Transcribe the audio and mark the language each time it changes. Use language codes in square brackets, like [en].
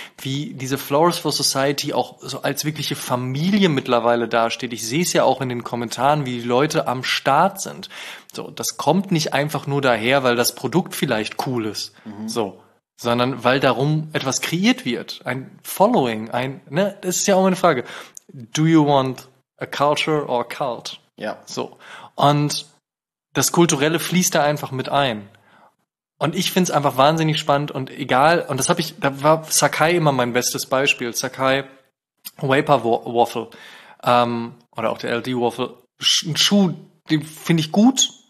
[de] Wie diese Flowers for Society auch so als wirkliche Familie mittlerweile dasteht. Ich sehe es ja auch in den Kommentaren, wie die Leute am Start sind. So, das kommt nicht einfach nur daher, weil das Produkt vielleicht cool ist. Mhm. So. Sondern weil darum etwas kreiert wird. Ein Following, ein, ne, das ist ja auch meine Frage. [en] Do you want a culture or a cult? [de] Ja. So. Und das Kulturelle fließt da einfach mit ein. Und ich find's einfach wahnsinnig spannend und egal, und das habe ich, da war Sakai immer mein bestes Beispiel. Sakai, Vapor Waffle, oder auch der LD Waffle, ein Schuh, den finde ich gut.